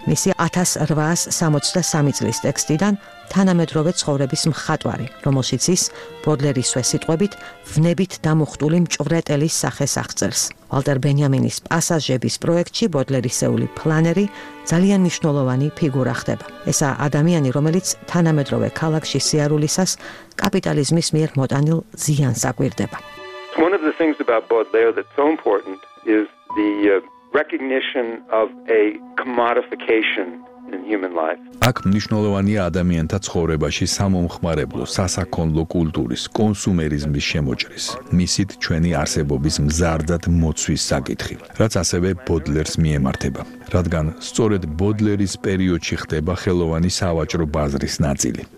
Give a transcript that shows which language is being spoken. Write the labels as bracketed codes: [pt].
[ka] მისი 1863 წლის ტექსტიდან თანამედროვე ცხოვრების მხატვარი, რომელშიც ის ბოდლერის სიტყვებით ვნებით დამუხტული მჭვრეტელის სახეს აღწერს. ვალტერ ბენიამინის პასაჟების პროექტში ბოდლერისეული პლანერი ძალიან მნიშვნელოვანი ფიგურა ხდება. ესაა ადამიანი, რომელიც თანამედროვე ქალაქში სიარულისას კაპიტალიზმის მიერ მოტანილ ზიანს აკვირდება. [en] One of the things about Baudelaire that's so important is the recognition of a commodification in human life. [ka] აქ მნიშვნელოვანია ადამიანთა ცხოვრებაში სამომხმარებლო, სასაქონლო კულტურის, კონსუმერიზმის შემოჭრის, მისით ჩვენი არსებობის მზარდად მოცვის საკითხი, რაც ასევე ბოდლერს მიემართება. რადგან სწორედ ბოდლერის პერიოდში ხდება ხელოვანი სავაჭრო ბაზრის ნაწილი.